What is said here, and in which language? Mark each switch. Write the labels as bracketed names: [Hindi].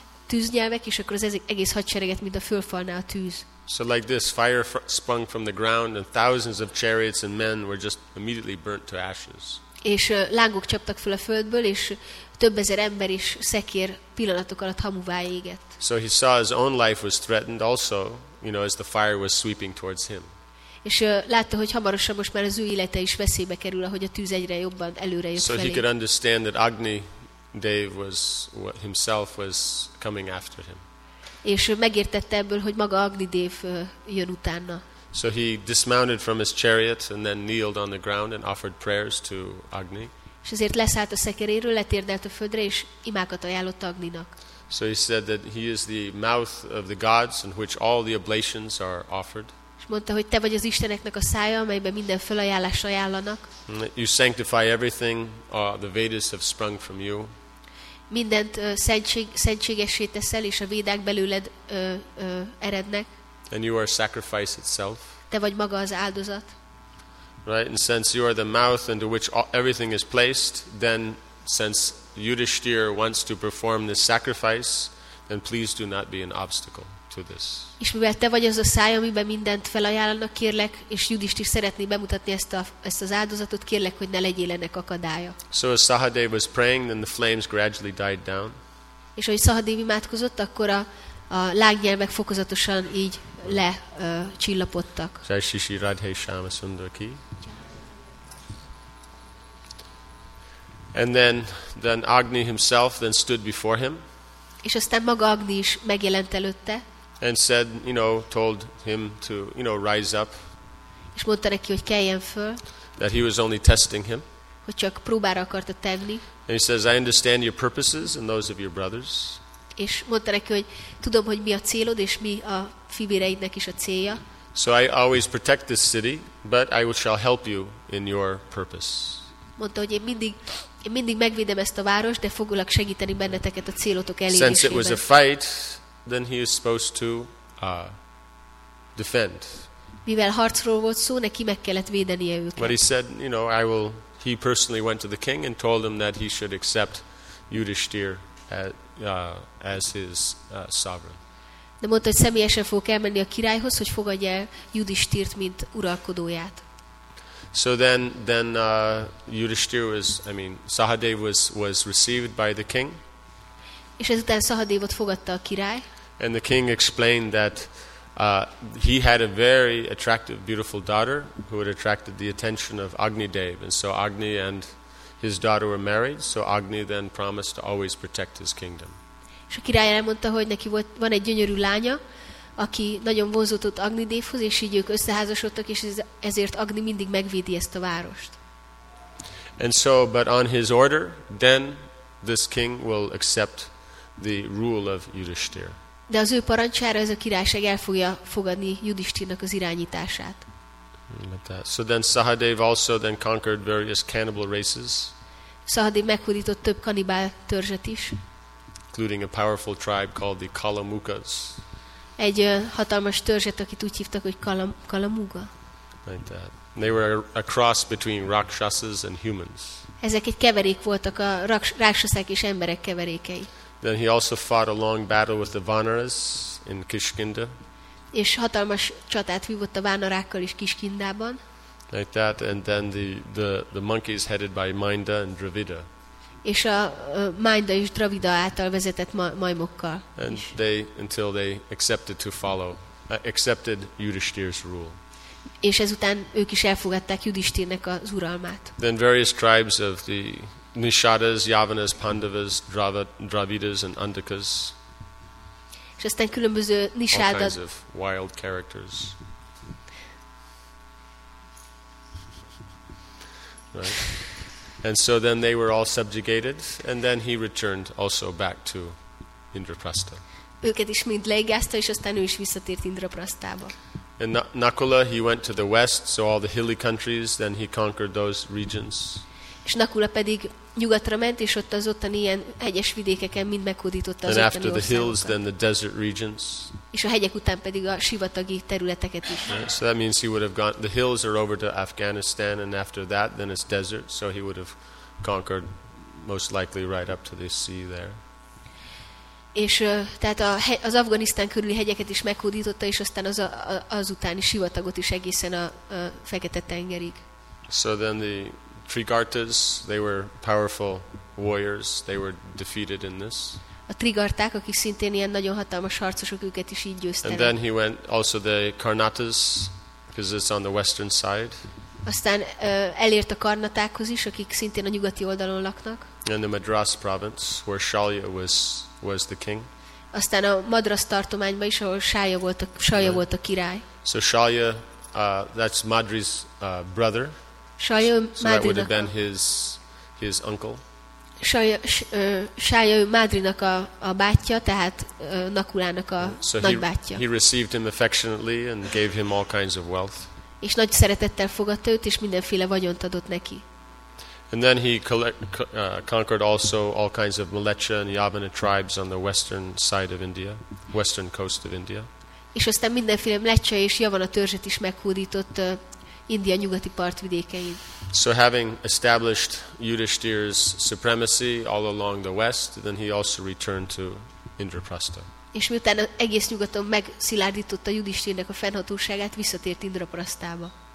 [Hungarian] tűznyelvek, és akkor az egész hadsereget, mint a fölfalnál a tűz. [English] So like this, fire sprung from the ground, and thousands of chariots and men were just immediately burnt to ashes. [Hungarian] És lángok csaptak fel a földből, és több ezer ember is szekér pillanatok alatt hamuvá égett. [English] So he saw his own life was threatened also, you know, as the fire was sweeping towards him. [Hungarian] És látta, hogy hamarosan most már az ő élete is veszélybe kerül, ahogy a tűz egyre jobban előre jött felé. [English] So he could understand that Agni Dev was himself was coming after him. [Hungarian] És megértette ebből, hogy maga Agni Dev jön utána. [English] So he dismounted from his chariot and then kneeled on the ground and offered prayers to Agni. [Hungarian] És ezért leszállt a szekeréről, letérdelt a földre, és imákat ajánlott Agninak. [English] So he said that he is the mouth of the gods in which all the oblations are offered. [Hungarian] És mondta, hogy te vagy az isteneknek a szája, amelyben minden fölajánlást ajánlanak. [English] You sanctify everything, the Vedas have sprung from you. [Hungarian] Mindent szentségessé teszel, és a védák belőled erednek. [English] And you are sacrifice itself. [Hungarian] Te vagy maga az áldozat. [English] Right, and since you are the mouth into which everything is placed, then since Yudhishthir wants to perform this sacrifice, then please do not be an obstacle to this. [Hungarian] És mivel te vagy az a száj, amiben mindent felajánlanak, kérlek, és Yudhishthir szeretné bemutatni ezt az áldozatot, kérlek, hogy ne legyél ennek akadálya. [English] So as Sahadev was praying, then the flames gradually died down. [Hungarian] És ahogy Sahadev imádkozott, akkor a lángnyelvek fokozatosan így lecsillapodtak. [Hindi] Jai Shri Shri Radhe Shyama Sundar ki. [English] And then Agni himself then stood before him. [Hungarian] És aztán maga Agni is megjelent előtte. [English] And said, you know, told him to, you know, rise up. [Hungarian] És mondta neki, hogy keljen föl. [English] That he was only testing him. [Hungarian] Hogy csak próbára akarta tenni. [English] And he says, I understand your purposes and those of your brothers. [Hungarian] És mondta neki, hogy tudom, hogy mi a célod, és mi a fivéreidnek is a célja. [English] So I always protect this city, but I shall help you in your purpose. [Hungarian] Mondta, hogy én mindig megvédem ezt a várost, de foglak segíteni benneteket a célotok elérésében. [English] Since it was a fight, then he is supposed to defend. [Hungarian] Mivel harcról volt szó, neki meg kellett védenie őket. [English] But he said, you know, I will, he personally went to the king and told him that he should accept Yudhishthir as his sovereign. [Hungarian] De mondta, hogy személyesen fog elmenni a királyhoz, hogy fogadja el Yudhishthirt, mint uralkodóját. [English] So then Yudhishthir was, I mean, Sahadev was received by the king. [Hungarian] És ezután Sahadevot fogadta a király. [English] And the king explained that he had a very attractive, beautiful daughter who had attracted the attention of Agni Dev. And so Agni and his daughter were married, so Agni then promised to always protect his kingdom. [Hungarian] És a király elmondta, hogy neki van egy gyönyörű lánya, aki nagyon vonzódott Agni Devhoz, és így ők összeházasodtak, és ezért Agni mindig megvédi ezt a várost. [English] And so, but on his order, then this king will accept the rule of Yudhishthir. [Hungarian] De az ő parancsára ez a királyság el fogja fogadni Yudhishthirnak az irányítását. [English] So then Sahadev also then conquered various cannibal races. [Hungarian] Sahadev meghódított több kannibál törzset is. [English] Including a powerful tribe called the Kalamukas. [Hungarian] Egy hatalmas törzset, akit úgy hívtak, hogy Kalamuga. [English] They were a cross between rakshasas and humans. [Hungarian] Ezek egy keverék voltak, a rakshasák és emberek keverékei. [English] Then he also fought a long battle with the Vanaras in Kishkinda. [Hungarian] És hatalmas csatát vívott a vánarákkal is Kiskindában. [English] Like that, and then the monkeys headed by Mainda and Dravida. [Hungarian] És a Mainda és Dravida által vezetett majmokkal. [English] And [Hungarian] is. [English] They until they accepted to follow, accepted Yudhishthir's rule. [Hungarian] És ezután ők is elfogadták Yudhishthirnek az uralmát. [English] Then various tribes of the Nishadas, Yavanas, Pandavas, Dravidas and Andakas. [Hungarian] És aztán különböző nisádat. [English] All kinds of wild characters. Right? And so then they were all subjugated, and then he returned also back to Indraprastha. [Hungarian] Őket is mind leigázta, és aztán ő is visszatért Indraprasthába. [English] And Nakula, he went to the west, so all the hilly countries, then he conquered those regions. [Hungarian] És Nakula pedig nyugatra ment, és ott az ottani ilyen hegyes vidékeken mind meghódította az ottani országokat. [English] And after the hills, then the desert regions. [Hungarian] És a hegyek után pedig a sivatagi területeket is. [English] So that means he would have gone, the hills are over to Afghanistan, and after that, then it's desert, so he would have conquered most likely right up to the sea there. [Hungarian] És tehát az Afganisztán körüli hegyeket is meghódította, és aztán az utáni sivatagot is egészen a Fekete-tengerig. [English] So then the Trigartas, they were powerful warriors, they were defeated in this. [Hungarian] A Trigarták, akik szintén ilyen nagyon hatalmas harcosok, őket is így győzte. [English] And then he went also the Karnatas, because it's on the western side. [Hungarian] Aztán elért a Karnatákhoz is, akik szintén a nyugati oldalon laknak. [English] And the Madras province, where Shalya was the king. [Hungarian] Aztán a Madras tartományban is, ahol Shalya volt a király. [English] So Shalya, that's Madri's brother. [Hungarian] Shalya Madrinak. [English] So that would have been his uncle. [Hungarian] Shalya Madrinak a bátyja, tehát Nakulának a nagybátyja. [English] So he received him affectionately and gave him all kinds of wealth. [Hungarian] És nagy szeretettel fogadta őt, és mindenféle vagyont adott neki. [English] And then he conquered also all kinds of Malecha and Yavana tribes on the western side of India, western coast of India. [Hungarian] És aztán mindenféle Malecha és Yavana törzset is meghódított India nyugati partvidékein. [English] So having established Yudhishthira's supremacy all along the west, then he also returned to Indraprastha. [Hungarian] És miután egész nyugaton megszilárdította Yudhishthirnek a fennhatóságát, visszatért Indraprasztába.